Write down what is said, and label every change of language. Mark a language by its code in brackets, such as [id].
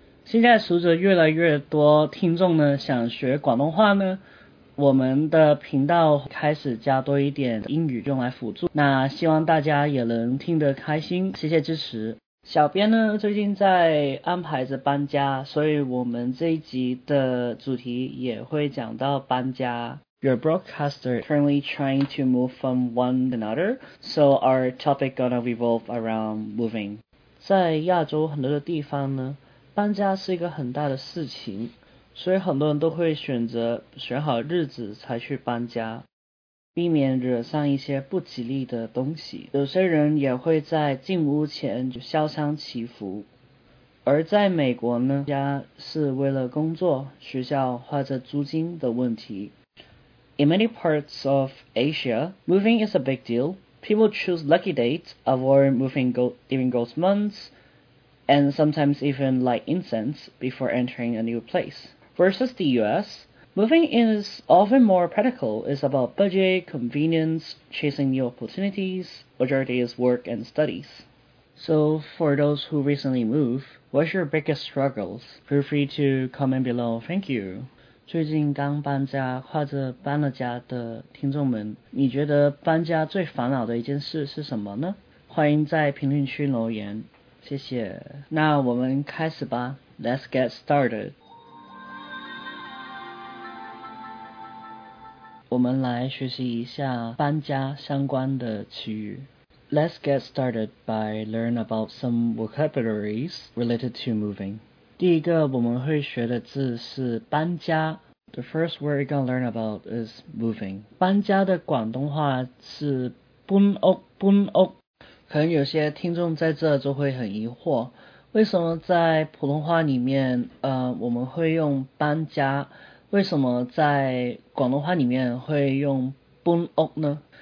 [zh] 现在随着越来越多听众呢想学广东话呢，我们的频道开始加多一点英语用来辅助，那希望大家也能听得开心，谢谢支持。小编呢最近在安排着搬家，所以我们这一集的主题也会讲到搬家。 [en] Your broadcaster currently trying to move from one to another, so our topic gonna revolve around moving. [zh] 在亚洲很多的地方呢，搬家是一个很大的事情，所以很多人都会选择选好日子才去搬家，避免惹上一些不吉利的东西。有些人也会在进屋前就消伤祈福。而在美国呢，家是为了工作、学校或者租金的问题。 [en] In many parts of Asia, moving is a big deal. People choose lucky dates, avoid moving during ghost months, and sometimes even light incense before entering a new place. Versus the US, moving is often more practical. It's about budget, convenience, chasing new opportunities, majority is work and studies. So for those who recently move, what's your biggest struggles? Feel free to comment below. Thank you. [zh] 最近刚搬家或者搬了家的听众们，你觉得搬家最烦恼的一件事是什么呢？欢迎在评论区留言，谢谢。那我们开始吧。 [en] Let's get started. [zh] 我们来学习一下搬家相关的词语。 [en] Let's get started by learning about some vocabularies related to moving. [zh] 第一个我们会学的字是搬家。 [en] The first word we're gonna learn about is moving. [zh] 搬家的广东话是搬屋，搬屋。可能有些听众在这就会很疑惑，为什么在普通话里面，我们会用搬家？为什么在广东话里面会用搬屋呢？